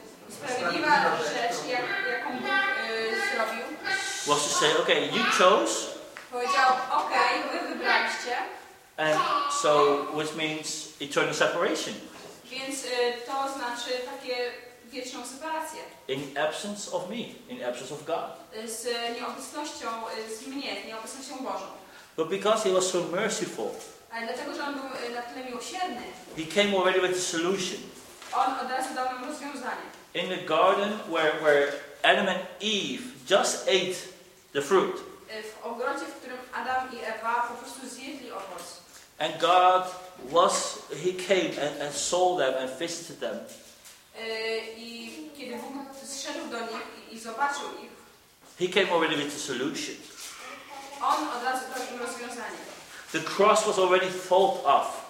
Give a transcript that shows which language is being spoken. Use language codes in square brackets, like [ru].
[pl] Sprawiedliwa rzecz, jaką Bóg zrobił. [en] Was to say, okay, you chose. [pl] Powiedział, okay, wy wybraliście. [en] And so, which means eternal separation. [pl] Więc to znaczy takie wieczną separację. [en] In absence of me, in absence of God. [pl] Z nieobecnością, z mnie, z nieobecnością Bożą. [en] But because he was so merciful. [pl] Ale dlatego, że on był na tyle miłosierny. [en] He came already with a solution. [pl] On od razu dał nam rozwiązanie. [en] In the garden where Adam and Eve just ate the fruit. [pl] W ogrodzie, w którym Adam i Ewa po prostu zjedli owoc. [en] And God was, he came and saw them and visited them. [pl] I kiedy Bóg zszedł do nich i zobaczył ich. [en] He came already with the solution. [pl] On od razu dał im rozwiązanie. [en] The cross was already thought of.